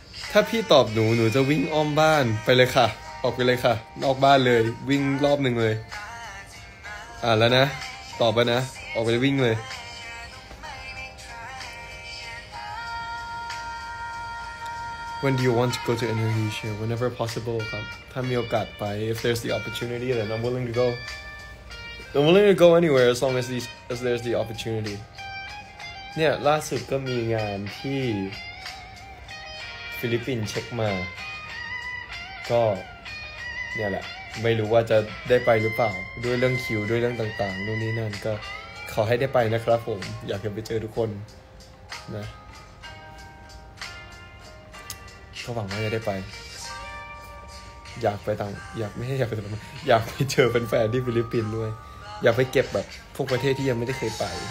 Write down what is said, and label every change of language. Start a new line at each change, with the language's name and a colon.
Thai: ถ้าพี่ตอบหนูจะวิ่งอ้อมบ้านไปเลยค่ะออกไปเลยค่ะนอกบ้านเลยวิ่งรอบหนึ่งเลยแล้วนะตอบไปนะออกไปวิ่งเลย
English: When do you want to go to Indonesia? Whenever possible,
Thai: ครับถ้ามีโอกาสไป
English: if there's the opportunity, then I'm willing to go. I'm willing to go anywhere as long as there's the opportunity.
Thai: เนี่ยล่าสุดก็มีงานที่ฟิลิปปินส์เช็คมาก็เนี่ยแหละไม่รู้ว่าจะได้ไปหรือเปล่าด้วยเรื่องคิวด้วยเรื่องต่างๆนู่นนี่นั่นก็ขอให้ได้ไปนะครับผมอยากจะไปเจอทุกคนนะก็หวังว่าจะได้ไปอยากไปต่างอยากไม่ใช่อยากไปต่างอยากไปเจอแฟนๆที่ฟิลิปปินส์ด้วยอยากไปเก็บแบบพวกประเทศที่ยังไม่ได้เคยไป